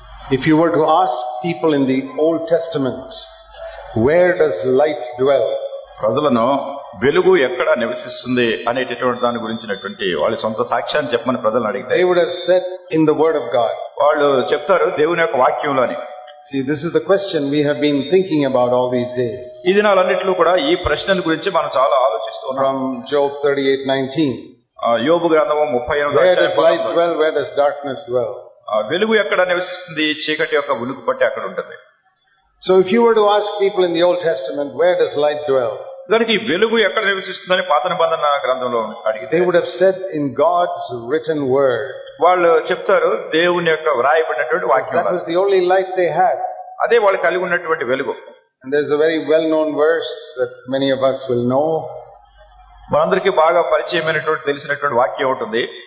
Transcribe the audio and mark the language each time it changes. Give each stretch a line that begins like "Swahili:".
English: If you were to ask people in the Old Testament, where does light dwell?
Telugu: ప్రజలను వెలుగు ఎక్కడ నివసిస్తుంది అనేటటువంటి దాని గురించినటువంటి వాళ్ళ సొంత సాక్ష్యాన్ని చెప్పమని ప్రజలను అడిగితే,
English: they would have said in the word of God.
Telugu: వాళ్ళు చెప్తారు దేవుని యొక్క వాక్యంలోని.
English: See, this is the question we have been thinking about all these days.
Telugu: ఈ దినాలన్నిటిలో కూడా ఈ ప్రశ్నల గురించి మనం చాలా ఆలోచిస్తున్నాం.
English: Job 38:19.
Telugu: యోబు గ్రంథము 38:19.
English: Where does light dwell? Where does darkness dwell?
Telugu: వెలుగు ఎక్కడ నివసిస్తుంది, చీకటి యొక్క ఉనికి పట్టి అక్కడ ఉంటుంది.
English: So if you were to ask people in the Old Testament, where does light dwell?
Telugu: దానికి వెలుగు ఎక్కడ నివసిస్తుందని పాత నిబంధన గ్రంథంలో అడిగితే,
English: they would have said in God's written word.
Telugu: వాళ్ళు చెప్తారు దేవుని యొక్క వ్రాయబడినటువంటి వాక్యంలో.
English: That was the only light they had.
Telugu: అదే వాళ్ళు కలిగి ఉన్నటువంటి వెలుగు.
English: And there's a very well known verse that many of us will know.
Telugu: మనందరికీ బాగా పరిచయమైనటువంటి తెలిసినటువంటి వాక్యం ఒకటి ఉంది.